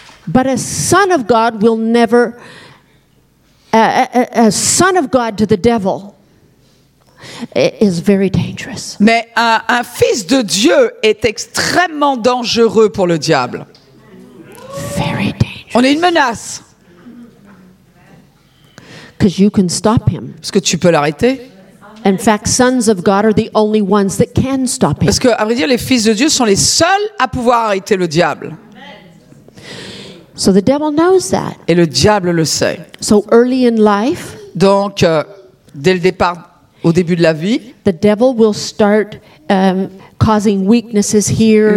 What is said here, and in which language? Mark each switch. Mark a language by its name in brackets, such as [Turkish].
[English] But a son of God will never a son of God to the devil is very dangerous. [French] Mais un fils de Dieu est extrêmement dangereux pour le diable. [English] Very dangerous. [French] On est une menace. [English] Because you can stop him. [French] Parce que tu peux l'arrêter. [English] In fact, sons of God are the only ones that can stop him. [French] Parce que, à vrai dire, les fils de Dieu sont les seuls à pouvoir arrêter le diable. [English] So the devil knows that. [French] Et le diable le sait. [English] So early in life. [French] Donc, dès le départ, au début de la vie. [English] The devil will start causing weaknesses here.